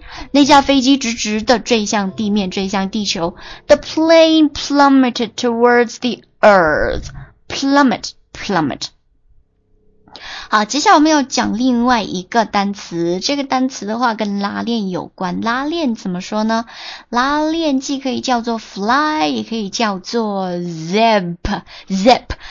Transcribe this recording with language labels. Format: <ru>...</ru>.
<zh>那架飞机直直地坠向地面，坠向地球。</zh> <en>The plane plummeted towards the earth. Plummet, plummet.</en> <zh>好，接下来我们要讲另外一个单词。这个单词的话跟拉链有关。拉链怎么说呢？拉链既可以叫做 fly， 也可以叫做 zip, zip。</zh>